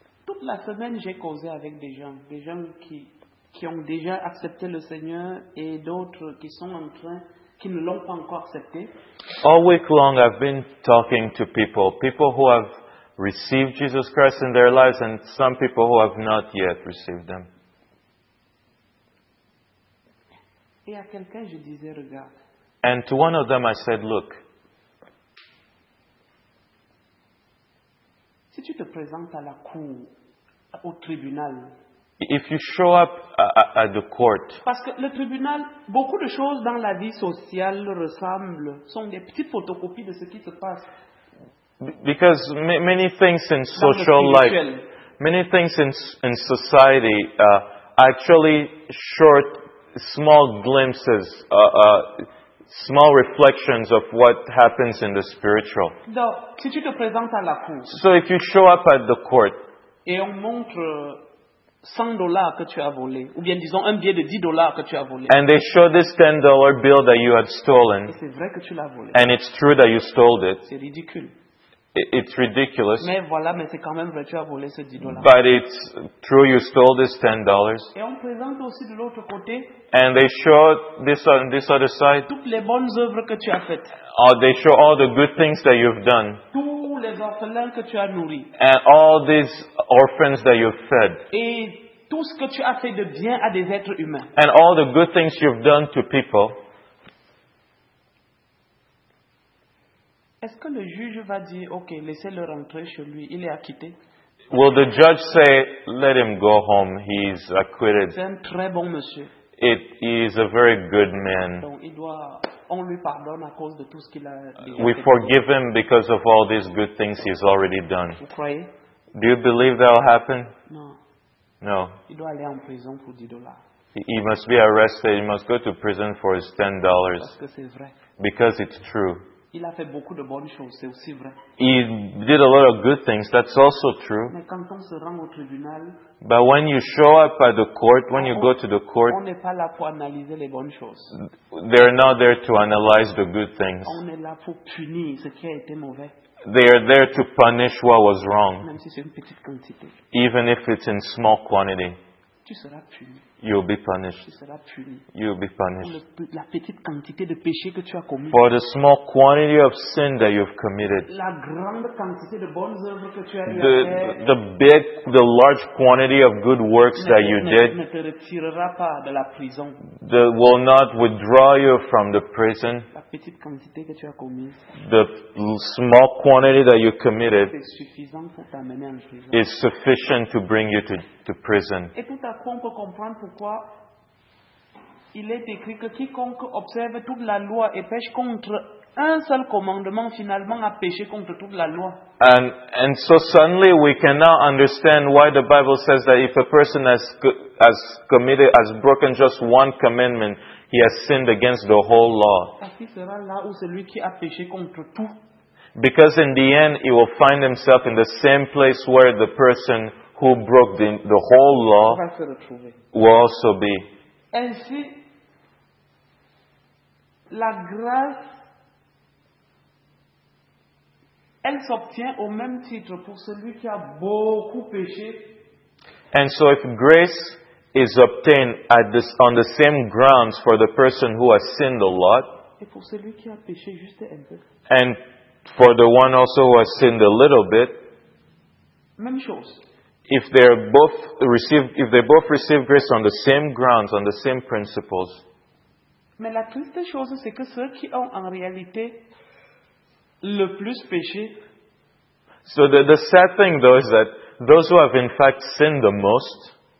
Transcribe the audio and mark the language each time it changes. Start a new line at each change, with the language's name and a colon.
French: Toute la semaine, j'ai causé avec des gens qui ont déjà accepté le Seigneur et d'autres qui sont en train qui ne l'ont pas encore accepté.
English: All week long, I've been talking to people who have received Jesus Christ in their lives and some people who have not yet received them.
French: Et à quelqu'un, je disais, regarde.
English: And to one of them, I said, look,
French: si tu te présentes à la cour, au tribunal,
English: If you show up at the court,
French: parce que le tribunal, beaucoup de choses dans la vie sociale ressemblent, sont des petites photocopies de ce qui se passe.
English: Because many things in social life, many things in society actually short, small glimpses, small reflections of what happens in the spiritual.
French: Donc, si tu te présentes à la cour,
English: so if you show up at the court,
French: et on montre $100 que tu as volé, ou bien disons un billet de $10 que tu as volé,
English: and they show this $10 bill that you had stolen,
French: et c'est vrai que tu l'as volé,
English: and it's true that you stole it,
French: c'est ridicule.
English: It's ridiculous.
French: Mais voilà, mais c'est quand même vrai, tu as volé ce $10.
English: But it's true you stole this $10.
French: Et on présente aussi de l'autre côté.
English: And they show this other side.
French: Toutes les bonnes œuvres que tu as faites.
English: Oh, they show all the good things that you've done.
French: Tous les orphelins que tu as nourris.
English: And all these orphans that you've fed.
French: Et tout ce que tu as fait de bien à des êtres humains.
English: And all the good things you've done to people.
French: Est-ce que le juge va dire, ok, laissez-le rentrer chez lui, il est acquitté?
English: Will the judge say, let him go home, he is acquitted?
French: C'est un très bon monsieur.
English: He is a very good man.
French: Donc, il doit, on lui pardonne à cause de tout ce qu'il a déjà fait.
English: We forgive him because of all these good things he's already done.
French: Vous croyez?
English: Do you believe that will happen?
French: Non.
English: No.
French: Il doit aller en prison pour $10.
English: He must be arrested, he must go to prison for his $10.
French: Parce que c'est vrai.
English: Because it's true.
French: Il a fait beaucoup de bonnes choses, c'est aussi vrai.
English: He did a lot of good things, that's also true.
French: Mais quand on se rend au tribunal,
English: but when you show up at the court, when you go to the court,
French: on n'est pas là pour analyser les bonnes choses.
English: They are not there to analyze the good things.
French: On est là pour punir ce qui a été mauvais.
English: They are there to punish what was wrong.
French: Même si c'est une petite quantité.
English: Even if it's in small quantity.
French: Tu seras puni.
English: You'll be punished.
French: Tu seras puni.
English: You'll be punished.
French: La petite quantité de péché que tu as commis.
English: For the small quantity of sin that you've committed.
French: La grande quantité de bonnes œuvres que tu as faites.
English: The large quantity of good works that you did.
French: Ne te retirera pas de la prison.
English: That will not withdraw you from the prison.
French: La petite quantité que tu as commis.
English: The small quantity that you committed.
French: C'est suffisant pour t'amener en prison.
English: Is sufficient to bring you to prison.
French: Et tout à coup, on peut comprendre pourquoi il est écrit que quiconque observe toute la loi et pêche contre un seul commandement finalement a péché contre toute la loi.
English: And so suddenly we can now understand why the Bible says that if a person has broken just one commandment, he has sinned against the whole law.
French: Parce qu'il sera là où celui qui a péché contre tout.
English: Because in the end he will find himself in the same place where the person who broke the whole law will also be.
French: Ainsi, la grâce, elle s'obtient au même titre pour celui qui a beaucoup péché.
English: And so if grace is obtained on the same grounds for the person who has sinned a lot,
French: et pour celui qui a péché juste un peu,
English: and for the one also who has sinned a little bit,
French: même chose.
English: If they both receive grace on the same grounds, on the same principles.
French: Mais la triste chose, c'est que ceux qui ont en réalité le plus péché.
English: So the sad thing though is that those who have in fact sinned the most